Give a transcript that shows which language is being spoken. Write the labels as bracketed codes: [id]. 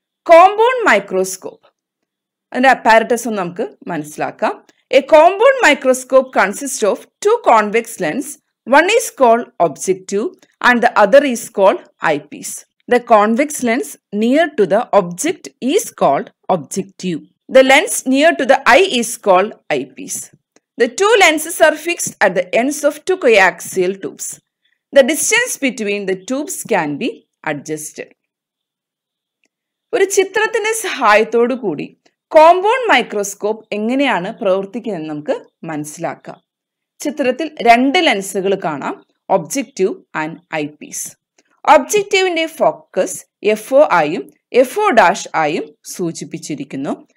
[ml] Compound microscope, അതിൻ്റെ apparatus ഒന്ന് നമുക്ക് മനസ്സിലാക്കാം. [en] A compound microscope consist of two convex lens. One is called objective and the other is called eyepiece. The convex lens near to the object is called objective. The lens near to the eye is called eyepiece. The two lenses are fixed at the ends of two coaxial tubes. The distance between the tubes can be adjusted. [ml] ഒരു ചിത്രത്തിന്റെ സഹായത്തോടു കൂടി compound microscope എങ്ങനെയാണ് പ്രവർത്തിക്കുന്നതെന്ന് നമുക്ക് മനസ്സിലാക്കാം. ചിത്രത്തിൽ രണ്ട് ലെൻസുകൾ കാണാം, [en] Objective and eyepiece. [ml] ഒബ്ജക്റ്റീവിന്റെ focus F O ആയും എഫ് ഒ ഡാഷ് ആയും സൂചിപ്പിച്ചിരിക്കുന്നു.